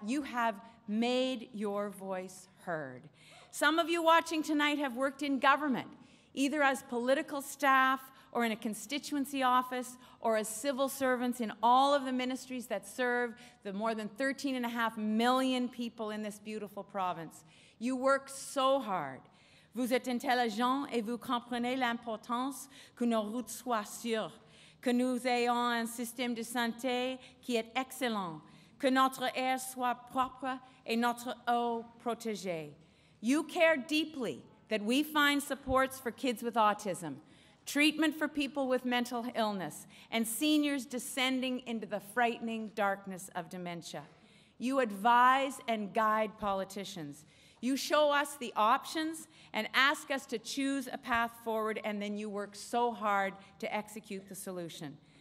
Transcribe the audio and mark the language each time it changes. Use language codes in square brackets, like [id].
[en] You have made your voice heard. Some of you watching tonight have worked in government, either as political staff or in a constituency office or as civil servants in all of the ministries that serve the more than 13.5 million people in this beautiful province. You work so hard. [fr] Vous êtes intelligent et vous comprenez l'importance que nos routes soient sûres, que nous ayons un système de santé qui est excellent, que notre air soit propre et notre eau protégée. [en] You care deeply that we find supports for kids with autism, treatment for people with mental illness, and seniors descending into the frightening darkness of dementia. You advise and guide politicians. You show us the options and ask us to choose a path forward, and then you work so hard to execute the solution.